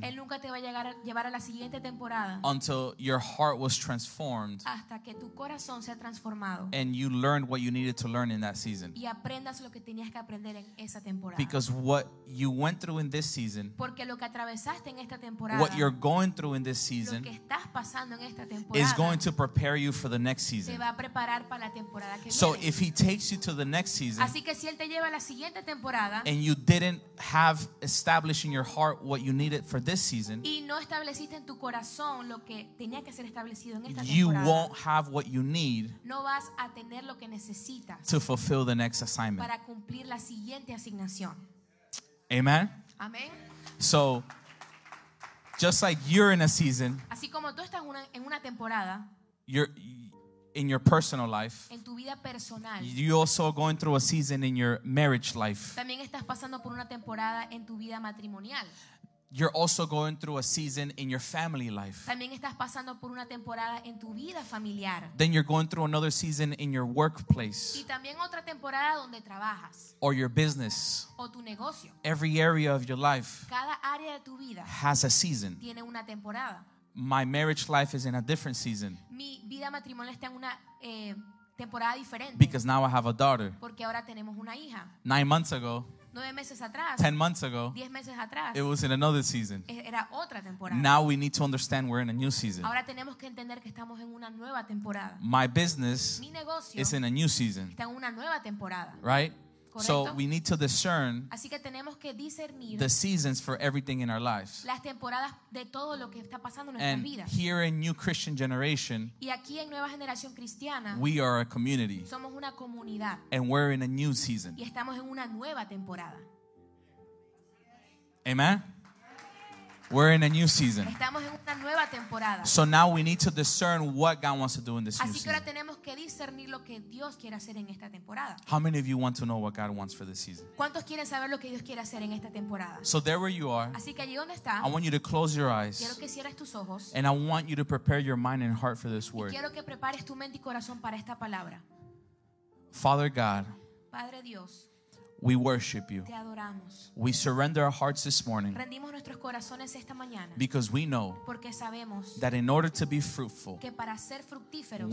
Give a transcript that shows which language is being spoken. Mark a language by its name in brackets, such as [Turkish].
[Spanish] Él nunca te va a llevar a la siguiente temporada. [English] Until your heart was transformed. [Spanish] Hasta que tu corazón sea transformado. [English] And you learned what you needed to learn in that season. [Spanish] Y aprendas lo que tenías que aprender en esa temporada. [English] Because what you went through in this season. [Spanish] Porque lo que atravesaste en esta temporada. [English] What you're going through in this season. [Spanish] Lo que estás pasando en esta temporada. [English] Is going to prepare you for the next season. [Spanish] Te va a preparar para la temporada que [English] so [Spanish] viene. [English] If he takes you to the next season. [Spanish] Así que si él te lleva a la siguiente temporada. [English] And you didn't have established in your heart what you needed for this season. [Spanish] Y no estableciste en tu corazón lo que tenía que ser establecido en esta temporada. [English] You won't have what you need. [Spanish] No vas a tener lo que necesitas. [English] To fulfill the next assignment. [Spanish] Para cumplir la siguiente asignación. [English] Amen. [Spanish] Amen. [English] So just like you're in a season. [Spanish] Así como tú estás en una temporada. [English] In your personal life, [Spanish] en tu vida personal, [English] you also are going through a season in your marriage life. [Spanish] También estás pasando por una temporada en tu vida matrimonial. [English] You're also going through a season in your family life. [Spanish] También estás pasando por una temporada en tu vida familiar. [English] Then you're going through another season in your workplace. [Spanish] Y también otra temporada donde trabajas. [English] Or your business. [Spanish] O tu negocio. [English] Every area of your life. [Spanish] Cada área de tu vida. [English] Has a season. [Spanish] Tiene una temporada. [English] My marriage life is in a different season. [Spanish] Mi vida matrimonial está en una temporada diferente. [English] Because now I have a daughter. [Spanish] Porque ahora tenemos una hija. [English] 9 months ago. [Spanish] 9 meses atrás. [English] 10 months ago. [Spanish] 10 meses atrás. [English] It was in another season. [Spanish] Era otra temporada. [English] Now we need to understand we're in a new season. [Spanish] Ahora tenemos que entender que estamos en una nueva temporada. [English] My business. [Spanish] Mi negocio. [English] Is in a new season. [Spanish] Está en una nueva temporada. [English] Right. [Spanish] Correcto. [English] So we need to discern. [Spanish] Así que tenemos que discernir [English] the seasons for everything in our lives. [Spanish] Las temporadas de todo lo que está pasando en nuestras vidas. [English] And here in New Christian Generation, [Spanish] y aquí en Nueva Generación Cristiana, [English] we are a community. [Spanish] Somos una comunidad. [English] And we're in a new season. [Spanish] Y estamos en una nueva temporada. [English] Amen. We're in a new season. [Spanish] Estamos en una nueva temporada. [English] So now we need to discern what God wants to do in this [Spanish] Así [English] new season. [Spanish] Que ahora tenemos que discernir lo que Dios quiere hacer en esta temporada. [English] How many of you want to know what God wants for this season? [Spanish] ¿Cuántos quieren saber lo que Dios quiere hacer en esta temporada? [English] So there where you are. [Spanish] Así que allí donde está, [English] I want you to close your eyes. [Spanish] Quiero que cierres tus ojos. [English] And I want you to prepare your mind and heart for this word. [Spanish] Y quiero que prepares tu mente y corazón para esta palabra. [English] Father God. [Spanish] Padre Dios. [English] We worship you. [Spanish] Te adoramos. [English] We surrender our hearts this morning. [Spanish] Rendimos nuestros corazones esta mañana. [English] Because we know. [Spanish] Porque sabemos. [English] That in order to be fruitful. [Spanish] Que para ser fructíferos.